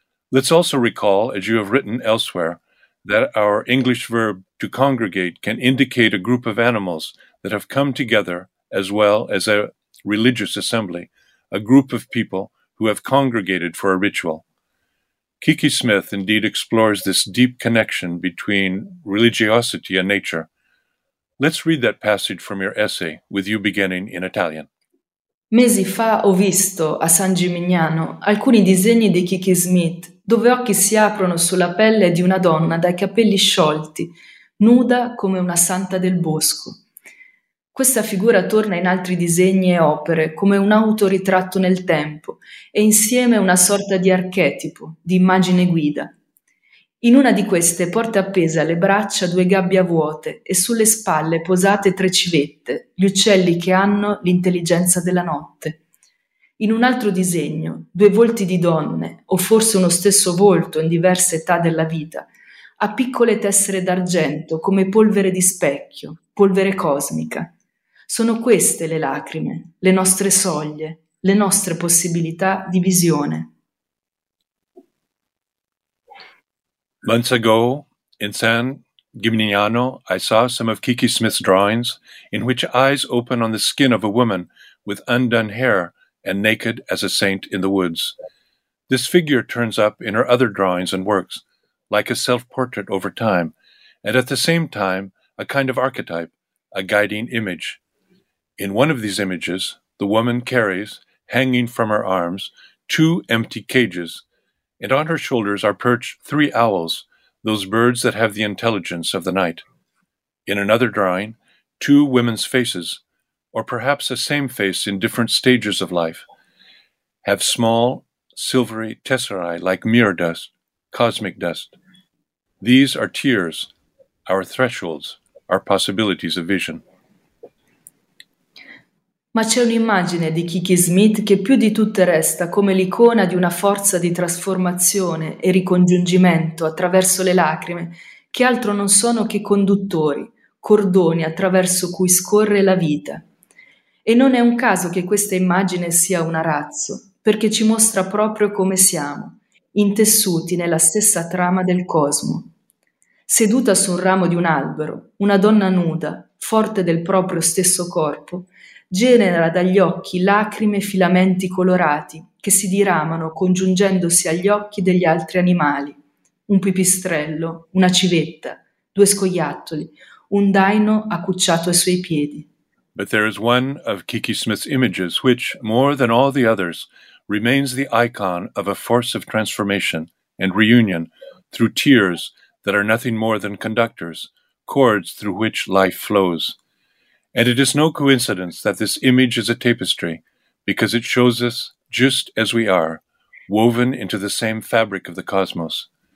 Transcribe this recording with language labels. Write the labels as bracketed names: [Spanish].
[English] Let's also recall, as you have written elsewhere, that our English verb to congregate can indicate a group of animals that have come together as well as a religious assembly, a group of people who have congregated for a ritual. Kiki Smith indeed explores this deep connection between religiosity and nature. Let's read that passage from your essay, with you beginning in Italian. [Italian] Mesi fa ho visto, a San Gimignano, alcuni disegni di Kiki Smith, dove occhi si aprono sulla pelle di una donna dai capelli sciolti, nuda come una santa del bosco. Questa figura torna in altri disegni e opere, come un autoritratto nel tempo, e insieme una sorta di archetipo, di immagine guida. In una di queste porta appese alle braccia due gabbie vuote e sulle spalle posate tre civette, gli uccelli che hanno l'intelligenza della notte. In un altro disegno, due volti di donne, o forse uno stesso volto in diverse età della vita, a piccole tessere d'argento come polvere di specchio, polvere cosmica. Sono queste le lacrime, le nostre soglie, le nostre possibilità di visione. [English] Months ago, in San Gimignano, I saw some of Kiki Smith's drawings in which eyes open on the skin of a woman with undone hair and naked as a saint in the woods. This figure turns up in her other drawings and works, like a self-portrait over time, and at the same time, a kind of archetype, a guiding image. In one of these images, the woman carries, hanging from her arms, two empty cages, and on her shoulders are perched three owls, those birds that have the intelligence of the night. In another drawing, two women's faces, or perhaps the same face in different stages of life, have small, silvery tesserae like mirror dust, cosmic dust. These are tears, our thresholds, our possibilities of vision. [Italian] Ma c'è un'immagine di Kiki Smith che più di tutte resta come l'icona di una forza di trasformazione e ricongiungimento attraverso le lacrime, che altro non sono che conduttori, cordoni attraverso cui scorre la vita. E non è un caso che questa immagine sia una razzo, perché ci mostra proprio come siamo, intessuti nella stessa trama del cosmo. Seduta su un ramo di un albero, una donna nuda, forte del proprio stesso corpo, genera dagli occhi lacrime e filamenti colorati che si diramano congiungendosi agli occhi degli altri animali. Un pipistrello, una civetta, due scoiattoli, un daino accucciato ai suoi piedi. [English] But there is one of Kiki Smith's images which, more than all the others, remains the icon of a force of transformation and reunion through tears that are nothing more than conductors, cords through which life flows. And it is no coincidence that this image is a tapestry, because it shows us just as we are, woven into the same fabric of the cosmos.